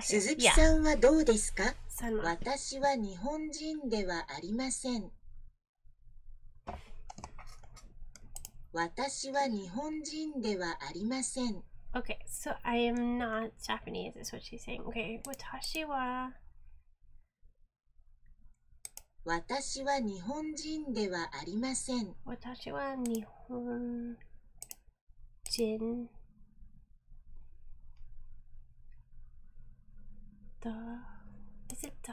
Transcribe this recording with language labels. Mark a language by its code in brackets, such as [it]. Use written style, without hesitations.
[ja] 鈴木さんはどうですか? [en] Yeah. [ja] 私は日本人ではありません。私は日本人ではありません。 [en] Okay, so I am not Japanese, is what she's saying. [ja] Okay, 私は私は日本人ではありません。私は日本人だ。 [en] Is it